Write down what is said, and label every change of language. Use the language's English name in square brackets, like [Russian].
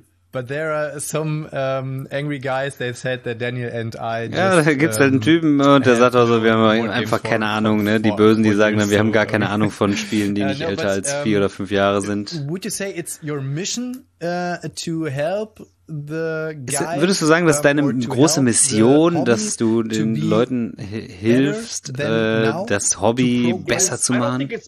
[English] But there are some angry guys, they said that Daniel and I just, [German] ja, da gibt es halt einen Typen und der sagt auch so, wir haben einfach keine Ahnung, ne? Die Bösen, die sagen dann, wir haben gar keine Ahnung von Spielen, die nicht älter als 4 oder 5 Jahre sind. [English] Would you say it's your mission to help the guys? [German] Würdest du sagen, dass deine große Mission, dass du den Leuten hilfst, das Hobby besser zu machen?